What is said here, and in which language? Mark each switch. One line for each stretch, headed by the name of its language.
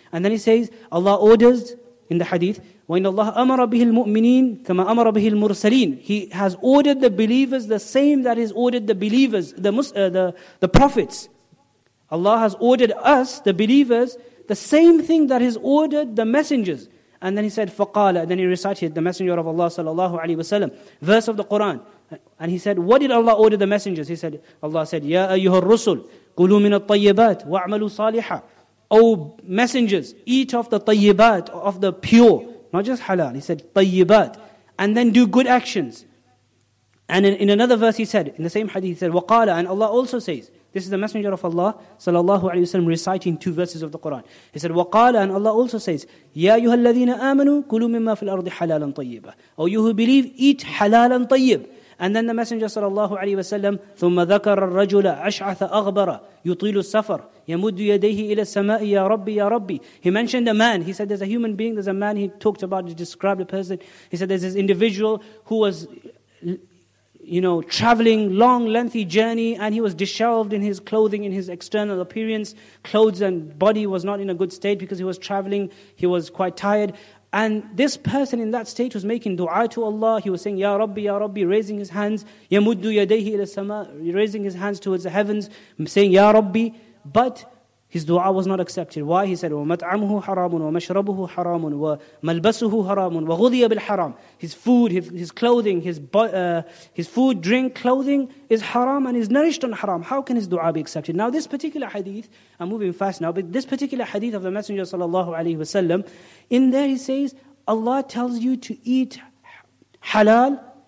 English: And then he says, Allah orders in the hadith,
Arabic: وَإِنَّ اللَّهَ أَمَرَ بِهِ الْمُؤْمِنِينَ كَمَا أَمَرَ بِهِ الْمُرْسَلِينَ.
English: He has ordered the believers the same that He's ordered the believers, the prophets. Allah has ordered us, the believers, the same thing that He's ordered the messengers. And then he said,
Arabic: فَقَالَ.
English: And then he recited the Messenger of Allah sallallahu alaihi wasallam, verse of the Quran. And he said, what did Allah order the messengers? He said, Allah said,
Arabic: يَا أَيُّهَا الرُّسُلُ قُلُوا مِنَ الطَّيِّبَاتِ وَأَعْمَلُوا صَالِحًا.
English: O messengers, eat of the طَيِّبَات, of the pure. Not just halal. He said, طَيِّبَات. And then do good actions. And in another verse he said, in the same hadith he said,
Arabic: وَقَالَ.
English: And Allah also says, this is the Messenger of Allah, sallallahu alayhi wa sallam, reciting two verses of the Quran. He said, وَقَالَ. And Allah also says,
Arabic: يَا أَيُّهَا الَّذِينَ آمَنُوا كُلُوا مِمَّا فِي الْأَرْضِ حَلَالًا طَيِّبًا.
English: O you who believe, eat halalan طَيِّب. And then the Messenger sallallahu alayhi wa sallam,
Arabic: ثُمَّ ذَكَرَ الرَّجُلَ أَشْعَثَ أَغْبَرَ يُطِيلُ السَّفَرَ يَمُدُّ يَدَيْهِ إِلَى السَّمَاءِ يَا رَبِّي يَا رَبِّي.
English: He mentioned a man. He said there's a human being, there's a man. He talked about, he described a person. He said there's this individual who was, you know, traveling long, lengthy journey, and he was disheveled in his clothing, in his external appearance. Clothes and body was not in a good state because he was traveling. He was quite tired. And this person in that state was making dua to Allah. He was saying, ya Rabbi, raising his hands.
Arabic: يَمُدُّ يَدَيْهِ إِلَى السَّمَاءِ,
English: raising his hands towards the heavens, saying, ya Rabbi. But his dua was not accepted. Why? He said,
Arabic: وَمَطْعَمُهُ حَرَامٌ وَمَشْرَبُهُ حَرَامٌ وَمَلْبَسُهُ حَرَامٌ وَغُذِيَ بِالْحَرَامٌ.
English: His food, his clothing, his food, drink, clothing is haram and is nourished on haram. How can his dua be accepted? Now this particular hadith, I'm moving fast now, but this particular hadith of the Messenger sallallahu alayhi wa sallam, in there he says, Allah tells you to eat halal.